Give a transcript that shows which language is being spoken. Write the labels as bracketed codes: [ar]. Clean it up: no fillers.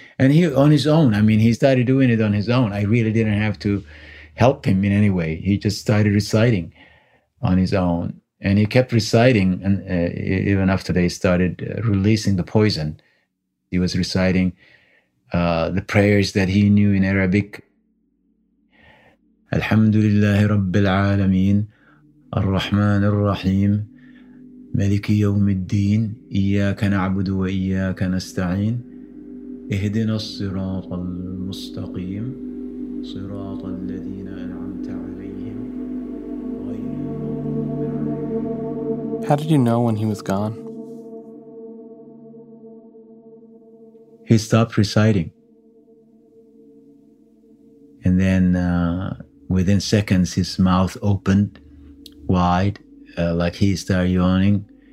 [en] And he, on his own, he started doing it on his own. I really didn't have to help him in any way. He just started reciting on his own. And he kept reciting, and even after they started releasing the poison, he was reciting the prayers that he knew in Arabic. [ar] الحمد لله رب العالمين الرحمن الرحيم ملك يوم الدين إياك نعبد وإياك نستعين اهدنا الصراط المستقيم صراط الذين أنعمت عليهم. [en] How did you know when he was gone? He stopped reciting. And then within seconds, his mouth opened wide, like he started yawning.